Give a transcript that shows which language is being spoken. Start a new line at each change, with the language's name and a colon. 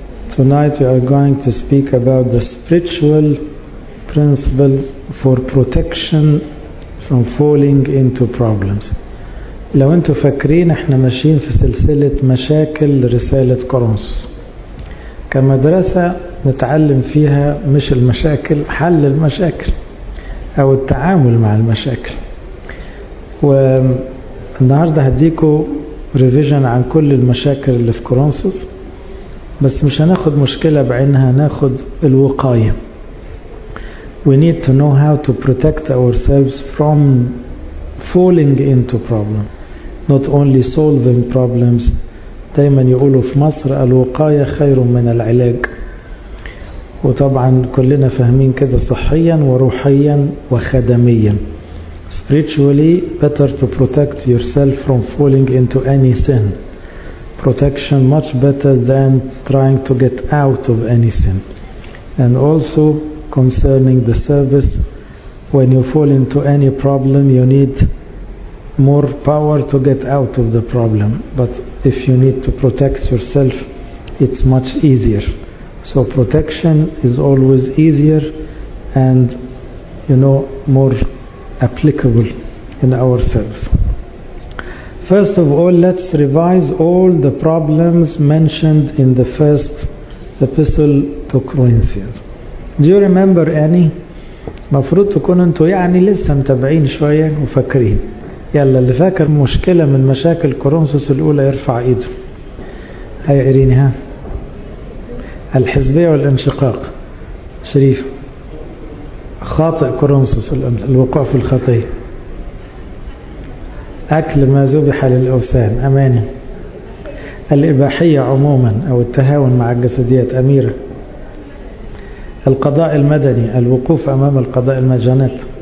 English: Tonight we are going to speak about the spiritual principle for protection from falling into problems.
Arabic: لو انتوا فاكرين احنا ماشيين في سلسلة مشاكل رسالة كورنثوس. كمدرسة نتعلم فيها مش المشاكل، حل المشاكل أو التعامل مع المشاكل. والنهاردة هديكوا ريفيجن عن كل المشاكل اللي في كورنثوس، بس مش هناخد مشكلة بعينها، ناخد الوقاية.
English: We need to know how to protect ourselves from falling into problems, not only solving problems.
Arabic: دايما يقولوا في مصر الوقاية خير من العلاج، وطبعا كلنا فاهمين كده صحيا وروحيا وخدميا.
English: Spiritually, better to protect yourself from falling into any sin. Protection much better than trying to get out of any sin. And also concerning the service, when you fall into any problem, you need more power to get out of the problem. But if you need to protect yourself, it's much easier. So protection is always easier and, you know, more applicable in ourselves. First of all, let's revise all the problems mentioned in the first epistle to Corinthians. Do you remember any?
Arabic: مفروض تكون انتو يعني لسه متابعين شوية وفاكرين. يلا اللي فاكر مشكلة من مشاكل كورنثوس الأولى يرفع إيده. هيا إيريني، ها؟ الحزبية والانشقاق. شريف، خاطئ كورنثوس الوقوع في الخطية، أكل ما ذبح للأوثان، أماني، الإباحية عموما أو التهاون مع الجسديات، أميرة، القضاء المدني، الوقوف أمام القضاء المجانات،